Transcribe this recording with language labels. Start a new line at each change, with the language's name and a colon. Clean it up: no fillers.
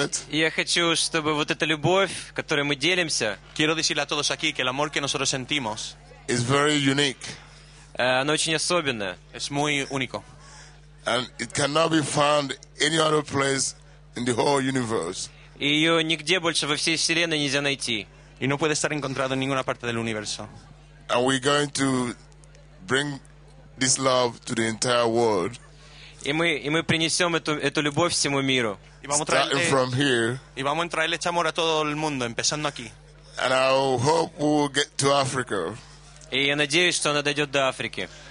Russian: Я хочу, чтобы вот эта любовь, которой мы делимся.
Spanish: Quiero decirle a todos aquí que el amor que nosotros sentimos.
English: Is very unique.
Russian: Она очень особенная.
Spanish: Es muy único.
English: And it cannot be found any other place in the whole universe.
Russian: Ее нигде больше во всей вселенной нельзя найти.
Spanish: Y no puede estar encontrado en ninguna parte del universo.
English: And we're going to bring this love to the entire world.
Russian: И мы принесем эту любовь всему миру.
English: Starting from here.
Spanish: Y vamos a traerle este amor a todo el mundo, empezando aquí.
English: And I hope we'll get to Africa.
Russian: И я надеюсь, что она дойдет до Африки.